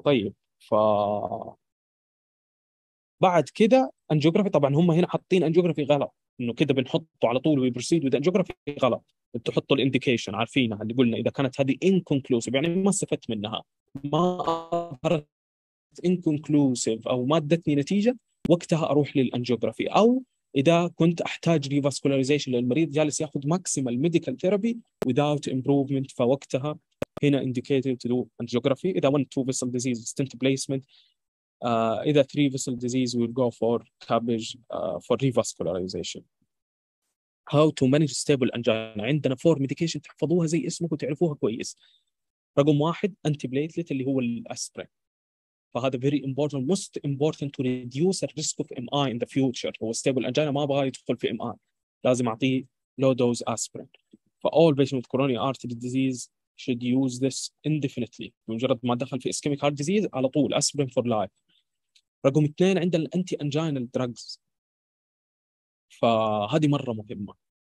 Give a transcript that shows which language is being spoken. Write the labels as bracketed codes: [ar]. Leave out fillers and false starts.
[ar] طيب ف بعد كده انجيوغرافي، طبعا هم هنا حاطين انجيوغرافي غلط، انه كده بنحطه على طول [en] we proceed with angiography [ar] غلط. بتحطوا الانديكيشن عارفينها اللي قلنا اذا كانت هذه انكونكلوسيف يعني ما استفدت منها، ما اظهرت انكونكلوسيف او ما ادتني نتيجة، وقتها اروح للانجيوغرافي. او إذا كنت أحتاج revascularization للمريض جالس يأخذ [en] maximal medical therapy without improvement، [ar] فوقتها هنا [en] indicated to do angiography. [ar] إذا [en] one two vessel disease stent placement، إذا three vessel disease we'll go for CABG for revascularization. How to manage stable angina؟ [ar] عندنا four medication تحفظوها زي اسمك وتعرفوها كويس. رقم واحد [en] antiplatelet [ar] اللي هو الأسبرين، فهذا [en] very important most important to reduce the risk of MI in the future. [ar] هو [en] stable angina [ar] ما أبغى يدخل في MI، لازم أعطيه [en] low dose aspirin. For all patients with coronary artery disease should use this indefinitely. [ar] بمجرد ما دخل في ischemic heart disease على طول [en] aspirin for life. [ar] رقم اثنين عندنا [en] anti-anginal drugs، [ar] فهذه مرة مهمة.